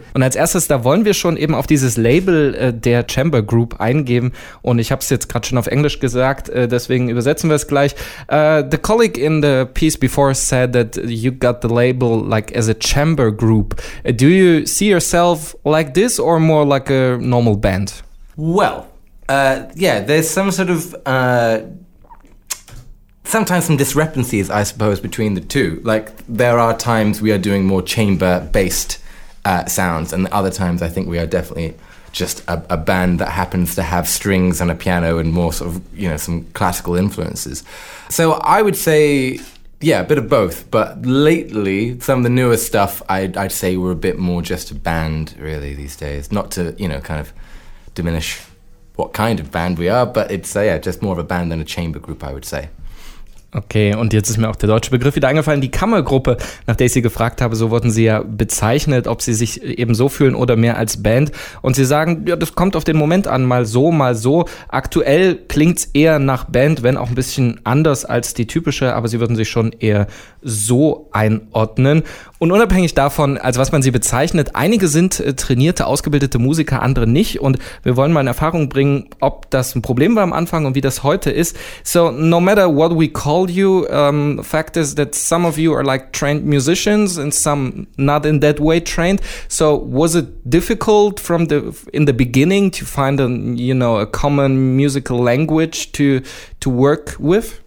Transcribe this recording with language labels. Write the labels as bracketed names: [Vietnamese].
[German] Und als erstes, da wollen wir schon eben auf dieses Label der Chamber Group eingehen. Und ich habe es jetzt gerade schon auf Englisch gesagt, deswegen übersetzen wir es gleich. [English] The colleague in the piece before said that you got the label like as a chamber group. Do you see yourself like this or more like a normal band? Well, there's some sort of... sometimes some discrepancies, I suppose, between the two. Like, there are times we are doing more chamber-based sounds, and other times I think we are definitely just a band that happens to have strings and a piano and more sort of, you know, some classical influences. So I would say, yeah, a bit of both. But lately, some of the newer stuff, I'd say we're a bit more just a band, really, these days. Not to, you know, kind of diminish what kind of band we are, but it's, just more of a band than a chamber group, I would say. [German] Okay, und jetzt ist mir auch der deutsche Begriff wieder eingefallen, die Kammergruppe, nach der ich Sie gefragt habe, so wurden Sie ja bezeichnet, ob Sie sich eben so fühlen oder mehr als Band. Und Sie sagen, ja, das kommt auf den Moment an, mal so, mal so. Aktuell klingt's eher nach Band, wenn auch ein bisschen anders als die typische, aber Sie würden sich schon eher so einordnen. Und unabhängig davon, also was man Sie bezeichnet, einige sind trainierte, ausgebildete Musiker, andere nicht. Und wir wollen mal in Erfahrung bringen, ob das ein Problem war am Anfang und wie das heute ist. [English] So, no matter what we call you, fact is that some of you are like trained musicians and some not in that way trained. So was it difficult from the in the beginning to find a common musical language to work with?